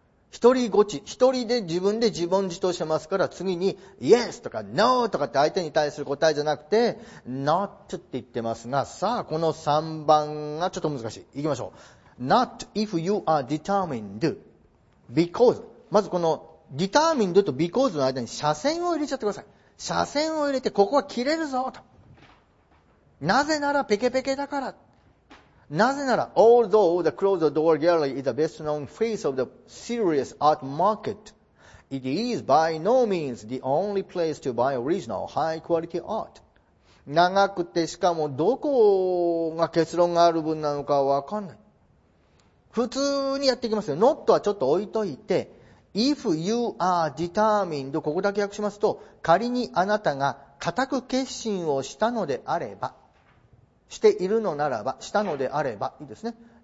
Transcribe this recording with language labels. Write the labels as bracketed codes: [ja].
[ja] 一人で自分で自問自答してますから、次に Yes とか No とかって相手に対する答えじゃなくて Not って言ってますが、さあこの3番がちょっと難しい、いきましょう。 [en] Not if you are determined because、 [ja] まずこのDetermined と because の間に斜線を入れちゃってください。斜線を入れて、ここは切れるぞと。なぜならペケペケだから。なぜなら [en] although the closed door gallery is the best known face of the serious art market, it is by no means the only place to buy original high quality art. [ja] 長くて、しかもどこが結論がある分なのかわかんない。普通にやっていきますよ。 not はちょっと置いといて、 [en] If you are determined、 [ja] ここだけ訳しますと、仮にあなたが固く決心をしたのであれば、しているのならば、したのであればいいですね。